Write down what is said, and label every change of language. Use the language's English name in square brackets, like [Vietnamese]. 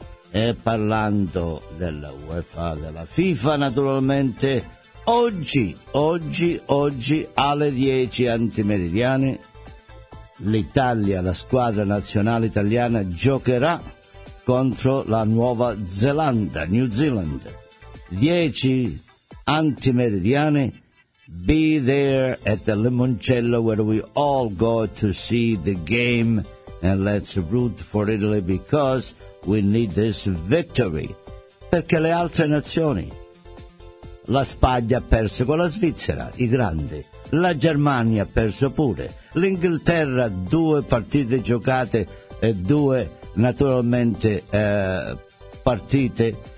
[Italian] E parlando dell'UEFA, della FIFA, naturalmente, oggi alle 10 antimeridiane, l'Italia, la squadra nazionale italiana, giocherà contro la Nuova Zelanda, New Zealand. 10 antimeridiane, [English] be there at the Limoncello where we all go to see the game, and let's root for Italy because we need this victory. [Italian] Perché le altre nazioni, la Spagna ha perso con la Svizzera, i grandi, la Germania ha perso pure, l'Inghilterra 2 partite giocate e 2 naturalmente partite